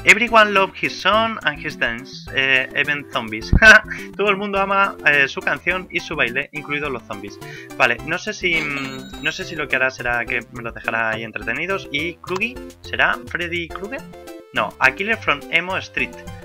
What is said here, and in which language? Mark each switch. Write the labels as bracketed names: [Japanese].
[English] Everyone loves his song and his dance, even zombies. [Spanish] Todo el mundo ama su canción y su baile, incluidos los zombies. Vale, no sé si lo que hará será que me los dejará ahí entretenidos. ¿Y Krugy? ¿Será Freddy Krueger? [English] No, a Killer from Emo Street.